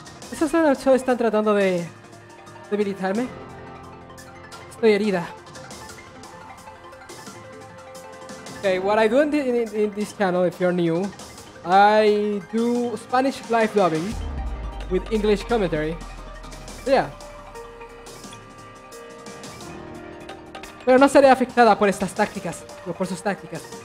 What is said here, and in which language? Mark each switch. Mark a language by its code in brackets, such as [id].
[es] Esos son los chavos están tratando de debilitarme. Estoy herida. [en] Okay, what I do in this channel, if you're new, I do Spanish live dubbing with English commentary. So yeah. [es] Pero no seré afectada por estas tácticas, o por sus tácticas.